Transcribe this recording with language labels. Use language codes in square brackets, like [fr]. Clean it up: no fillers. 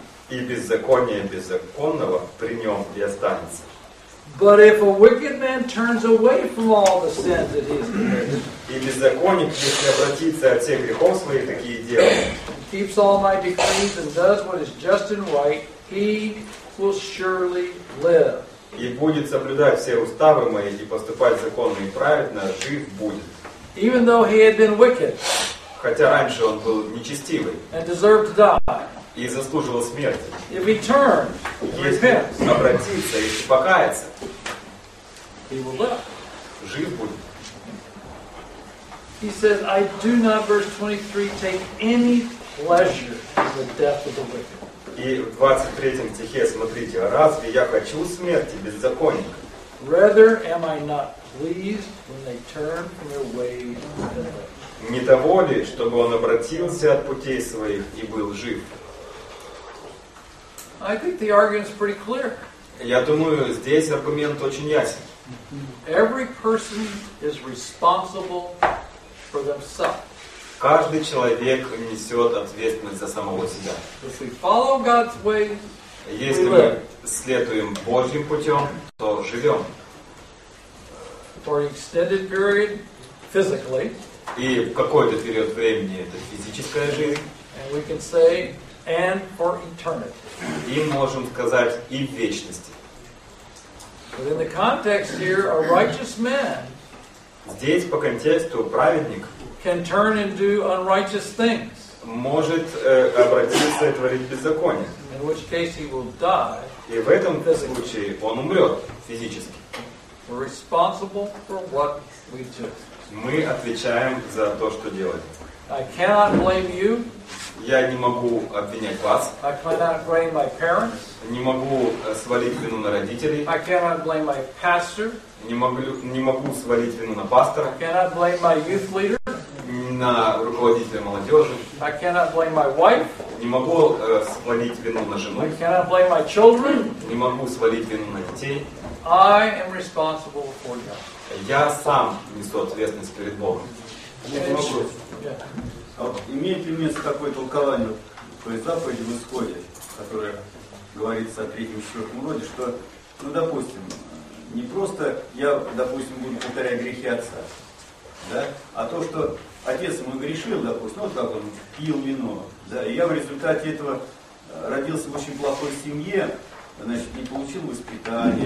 [ru] И беззаконие беззаконного при нем и останется. [en] But if a wicked man turns away from all the sins that he has committed, [ru] и беззаконник, если обратится от всех грехов своих, такие дела, [en] keeps all my decrees and does what is just and right, he will surely live. [ru] И будет соблюдать все уставы мои и поступать законно и праведно, жив будет. [en] Even though he had been wicked, [ru] хотя раньше он был нечестивый [en] and deserved to die, [ru] и заслуживал смерти. [en] If he turned, [ru] если обратиться и покаяться, [en] he will live. [ru] Жив будет. [en] He says, I do not, verse 23, take any pleasure in the death of the wicked. [ru] И в 23 стихе, смотрите, разве я хочу смерти беззаконника? [en] Rather am I not pleased when they turn from their ways to live. [ru] Не того ли, чтобы он обратился от путей своих и был жив? [en] I think the argument's pretty clear. [ru] Я думаю, здесь аргумент очень ясен. [en] Every person is responsible for themselves. [ru] Каждый человек несет ответственность за самого себя. [en] If we follow God's ways, [ru] если мы следуем Божьим путем, то живем. [en] For an extended period, physically. [ru] И в какой-то период времени это физическая жизнь. [en] And we can say, and for eternity. [ru] И можем сказать и в вечности. [en] But in the context here, a righteous man. [ru] Здесь по контексту праведник. [en] Can turn and do unrighteous things. [ru] Может обратиться и творить беззаконие. [en] In which case he will die. [ru] И в этом случае он умрет физически. [en] We're responsible for what we do. [ru] Мы отвечаем за то, что делаем. [en] I cannot blame you. [ru] Я не могу обвинять вас. [en] I cannot blame my parents. [ru] Не могу свалить вину на родителей. [en] I cannot blame my pastor. [ru] Не могу свалить вину на пастора. [en] I cannot blame my youth leader. [ru] На руководителя молодежи. [en] I cannot blame my wife. [ru] Не могу свалить вину на жену. [en] I cannot blame my children. [ru] Не могу свалить вину на детей. [en] I am responsible for God. [ru] Я сам несу ответственность перед Богом. Имеет ли место такое толкование той заповеди в Исходе, которая говорится о третьем и четвертом роде, что, ну, допустим, не просто я, допустим, буду повторять грехи отца, да, а то, что отец мой грешил, допустим, вот как он пил вино, да, и я в результате этого родился в очень плохой семье, значит, не получил воспитания.